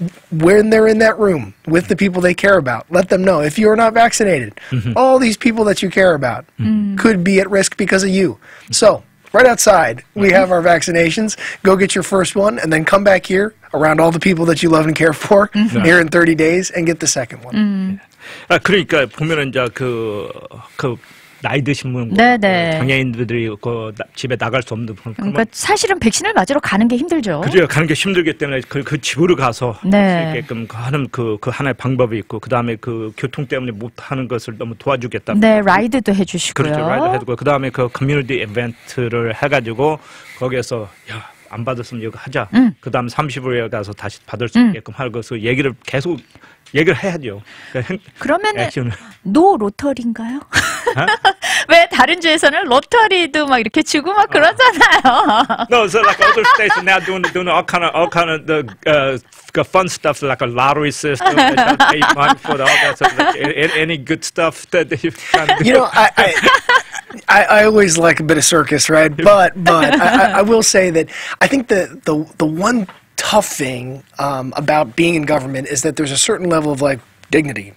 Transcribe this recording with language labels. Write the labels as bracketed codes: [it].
[en] When they're in that room with the people they care about, let them know. If you're not vaccinated, all these people that you care about could be at risk because of you. So, right outside, we have our vaccinations. Go get your first one and then come back here around all the people that you love and care for here in 30 days and get the second one. [ko] 아 그러니까 보면은 이제 그 나이 드신 분, 장애인들이 그 집에 나갈 수 없는 분, 그러니까 사실은 백신을 맞으러 가는 게 힘들죠. 그죠, 가는 게 힘들기 때문에 그 집으로 가서 이렇게끔 하는 그 하나의 방법이 있고 그 다음에 그 교통 때문에 못 하는 것을 너무 도와주겠다. 네, 라이드도 해주시고요. 그렇죠, 라이드 해주고 그 다음에 그 커뮤니티 이벤트를 해가지고 거기에서 야. 안 받았으면 이거 하자. 그다음 30일에 가서 다시 받을 수 있게끔 할 것을 얘기를 계속 얘기를 해야죠. 그러면은 노 로터리인가요? 왜 다른 주에서는 로터리도 막 이렇게 주고 막 그러잖아요. [en] No, so like other states now doing all kind of the the fun stuff like a lottery system, pay money for all that stuff. Like, any good stuff that you know, I always like a bit of circus, right? But I will say that I think the one tough thing about being in government is that there's a certain level of like dignity.